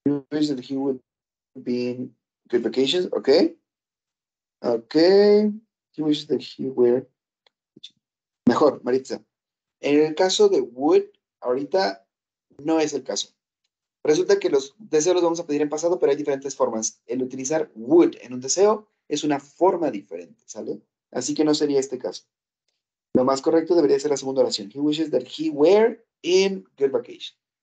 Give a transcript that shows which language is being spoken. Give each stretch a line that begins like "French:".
English: That he would be in good vacations, okay? Okay, he wishes that he were mejor, Maritza.
Spanish: En el caso de would, ahorita no es el caso. Resulta que los deseos los vamos a pedir en pasado, pero hay diferentes formas. El utilizar would en un deseo es una forma diferente, ¿sale? Así que no sería este caso. Lo más correcto debería ser la segunda oración.
English: He wishes that he were in good vacation.